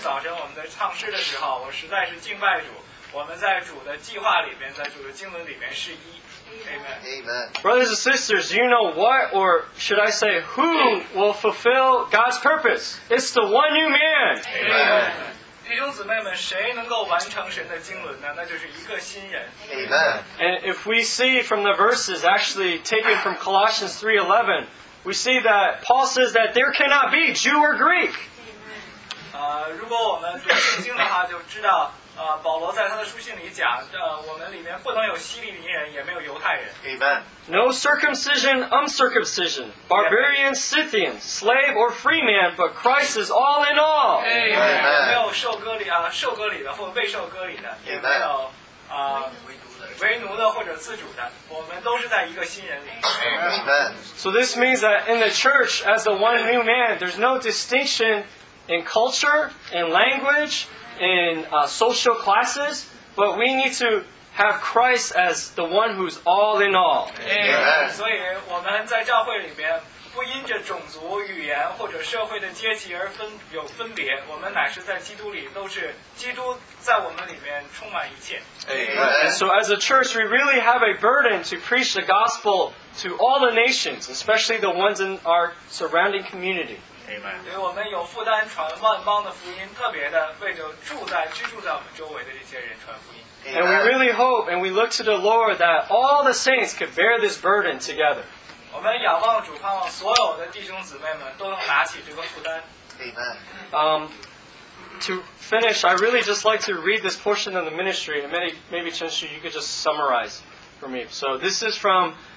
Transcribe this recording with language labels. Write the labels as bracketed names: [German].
[Chinese] 早晨我们在唱诗的时候，我实在是敬拜主。我们在主的计划里面，在主的经文里面是一。 [English] Amen. Amen. Brothers and sisters, you know what, or should I say, who will fulfill God's purpose? It's the one new man. Amen. Amen. [Chinese] 弟兄姊妹们，谁能够完成神的经纶呢？那就是一个新人。 [English] Amen. And if we see from the verses actually taken from Colossians 3:11, we see that Paul says that there cannot be Jew or Greek. [Chinese] 如果我们读圣经的话，就知道保罗在他的书信里讲，我们里面不能有希利尼人，也没有犹太人。 [English] Amen. No circumcision, uncircumcision, barbarian, Scythian, slave or free man, but Christ is all in all. Amen. [Chinese] 没有受割礼啊，受割礼的或未受割礼的，也没有为奴的或者自主的，我们都是在一个新人里。 [English] Amen. So this means that in the church, as the one new man, there's no distinction in culture, in language. In social classes, but we need to have Christ as the one who's all in all. Amen. So as a church, we really have a burden to preach the gospel to all the nations, especially the ones in our surrounding community. [Chinese] 所以我们有负担传万邦的福音，特别的为着住在居住在我们周围的这些人传福音。 [English] And we really hope and we look to the Lord that all the saints could bear this burden together. [Chinese] 我们仰望主，盼望所有的弟兄姊妹们都能拿起这个负担。 [English] Amen. To finish, I really just like to read this portion of the ministry. And maybe Chen Shu, you could just summarize for me. So this is from.